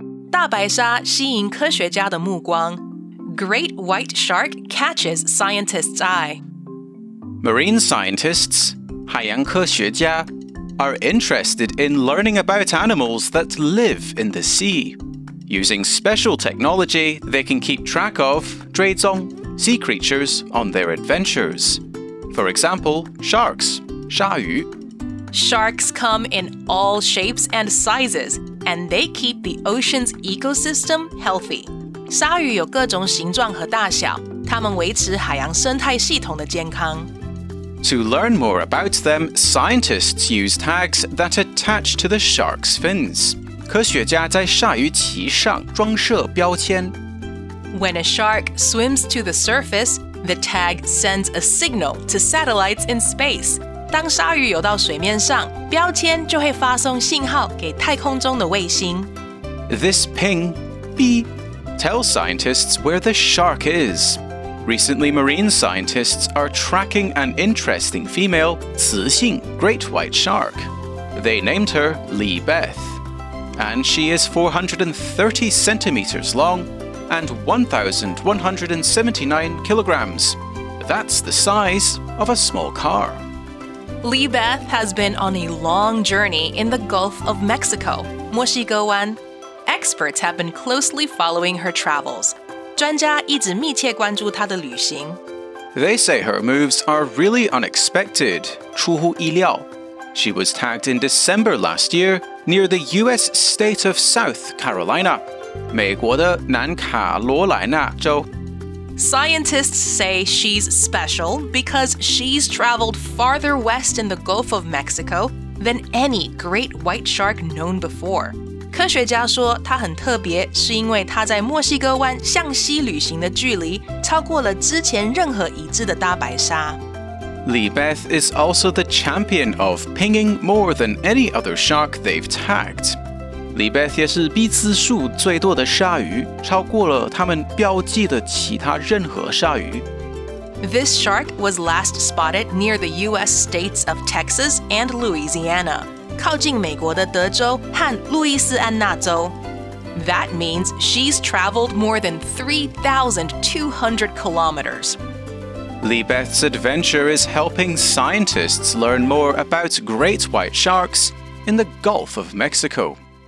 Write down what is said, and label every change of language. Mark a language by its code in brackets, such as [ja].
[zh] 大白鲨吸引科学家的目光。 [en] Great white shark catches scientists' eye. Marine scientists, 海洋科学家, are interested in learning about animals that live in the sea. Using special technology, they can keep track of 追踪, sea creatures on their adventures. For example, sharks, 鲨鱼. Sharks come in all shapes and sizes, and they keep the ocean's ecosystem healthy. [zh] 鲨鱼有各种形状和大小，它们维持海洋生态系统的健康。 [en] To learn more about them, scientists use tags that attach to the shark's fins. [zh] 科学家在鲨鱼鳍上装设标签。 [en] When a shark swims to the surface, the tag sends a signal to satellites in space. [zh] 当鲨鱼游到水面上，标签就会发送信号给太空中的卫星。 [en] This ping, beep. Tell scientists where the shark is. Recently, marine scientists are tracking an interesting female, 雌性, great white shark. They named her Li Beth. And she is 430 centimeters long and 1,179 kilograms. That's the size of a small car. Li Beth has been on a long journey in the Gulf of Mexico, 墨西哥湾。 Experts have been closely following her travels. [zh] 专家一直密切关注她的旅行。 [en] They say her moves are really unexpected, [zh] 出乎意料。 [en] She was tagged in December last year near the U.S. state of South Carolina, [zh] 美国的南卡罗来纳州。 [en] Scientists say she's special because she's traveled farther west in the Gulf of Mexico than any great white shark known before. [zh] 科学家说她很特别是因为她在墨西哥湾向西旅行的距离超过了之前任何已知的大白鲨。 [en] Li Beth is also the champion of pinging more than any other shark they've tagged. [zh] Li Beth 也是逼次数最多的鲨鱼，超过了他们标记的其他任何鲨鱼。 [en] This shark was last spotted near the U.S. states of Texas and Louisiana, [zh] 靠近美国的德州和路易斯安那州。 [en] That means she's traveled more than 3,200 kilometers. Li Beth's adventure is helping scientists learn more about great white sharks in the Gulf of Mexico.